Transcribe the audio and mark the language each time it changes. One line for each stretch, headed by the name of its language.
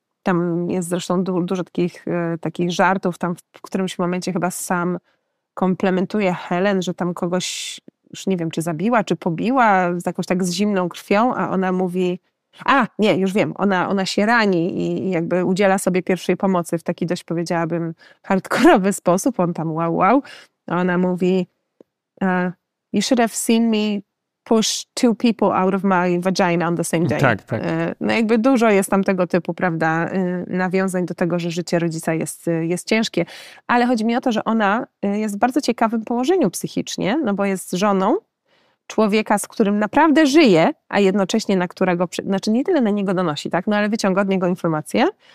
Polish: Tam jest zresztą dużo takich żartów, tam w którymś momencie chyba Sam komplementuje Helen, że tam kogoś, już nie wiem, czy zabiła, czy pobiła, jakoś tak z zimną krwią, a ona mówi... A, nie, już wiem, ona się rani i jakby udziela sobie pierwszej pomocy w taki dość, powiedziałabym, hardkorowy sposób, on tam wow. Ona mówi,
English: you should have seen me push two people out of my vagina on the same day.
Polish: Tak, tak. No jakby dużo jest tam tego typu, prawda, nawiązań do tego, że życie rodzica jest ciężkie. Ale chodzi mi o to, że ona jest w bardzo ciekawym położeniu psychicznie, no bo jest żoną, człowieka, z którym naprawdę żyje, a jednocześnie na którego, znaczy nie tyle na niego donosi, tak, no ale wyciąga od niego informacje.